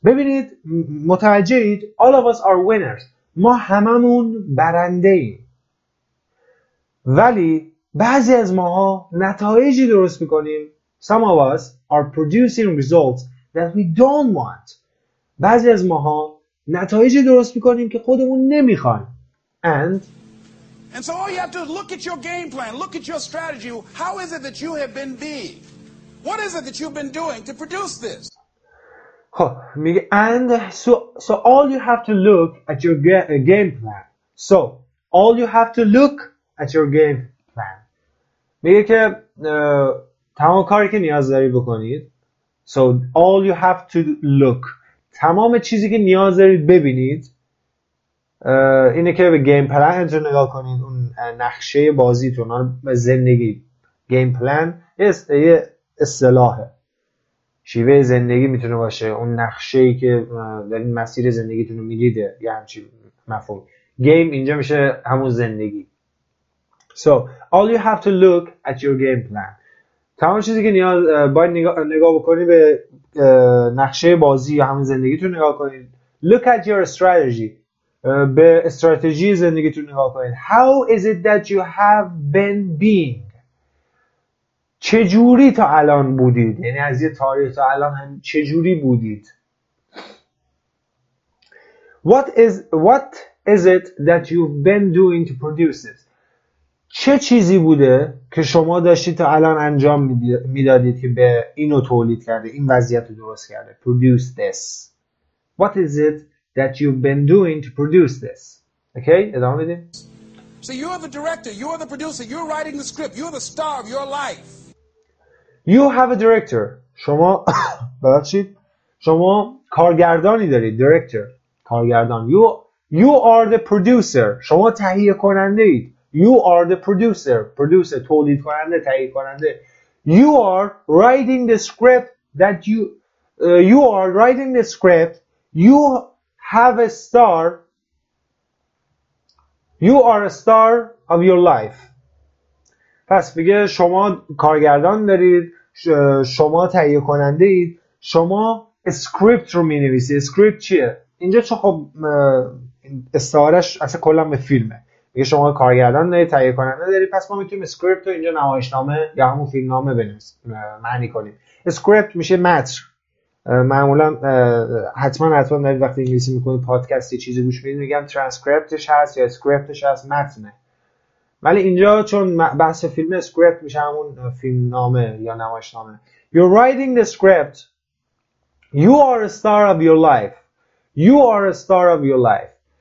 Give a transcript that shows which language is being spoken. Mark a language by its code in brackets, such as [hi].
[fa] ببینید متوجهید؟ [en] All of us are winners. [fa] ما هممون برنده ایم. ولی بعضی از ماها نتایجی درست میکنیم. [en] Some of us are producing results that we don't want. [fa] بعضی از ماها نتایجی درست میکنیم که خودمون نمیخوایم. [en] And so all you have to look at your game plan, look at your strategy. How is it that you have been being? What is it that you've been doing to produce this? And so all you have to look at your game plan. So all you have to look at your game plan. [fa] میگه که تمام کاری که نیاز داری بکنید. [en] So all you have to look. [fa] تمام چیزی که نیاز دارید ببینید اینه که به گیم پلن رو نگاه کنید، اون نقشه بازیتون، به زندگی. گیم پلن یه اصطلاحه، شیوه زندگی میتونه باشه، اون نقشه‌ای که در این مسیر زندگیتون رو میرید، یا همچین مفهوم. گیم اینجا میشه همون زندگی. [en] So all you have to look at your game plan. [fa] تمام چیزی که نیاز باید نگاه بکنی به نقشه بازی یا همون زندگیتون نگاه کنید. [en] Look at your strategy. [fa] به استراتژی زندگیتون نگاه کنید. [en] How is it that you have been being? [fa] چجوری تا الان بودید؟ یعنی از یه تاریخ تا الان هم چجوری بودید؟ [en] What is it that you've been doing to produce it? [fa] چه چیزی بوده که شما داشتید تا الان انجام میدادید که به اینو تولید کرده، این وضعیت رو درست کرده؟ [en] Produce this. What is it that you've been doing to produce this? [fa] Okay, ادامه بدیم. [en] So you are the director, you are the producer, you're writing the script, you're the star of your life. You have a director. [fa] شما ببخشید. شما کارگردانی دارید. Director. کارگردان. [en] You are the producer. [fa] شما تهیه کننده اید. [en] You are the producer. Producer. [fa] تولید کننده. تهیه کننده. [en] You are writing the script that you are writing the script. You have a star. You are a star of your life. [fa] پس بگه شما کارگردان دارید. شما تهیه کننده اید. شما اسکریپت رو می نویسید. اسکریپت چیه؟ اینجا چه خب استعارش اصلا کلا به فیلمه. میگه شما کارگردان دارید، تهیه کننده دارید. پس ما میتونیم اسکریپت رو اینجا نمایشنامه یا همون فیلم نامه بنویسیم، معنی کنیم. اسکریپت میشه متن. معمولا حتما دارید وقتی انگلیسی میکنید پادکستی چیزی گوش میدید میگم ترانسکریپتش هست یا اسکریپتش هست، متنه. ولی اینجا چون بحث فیلم، اسکریپت میشه همون فیلم نامه یا نمایشنامه. [en] You're writing the script. You are a star of your life. You are a star of your life.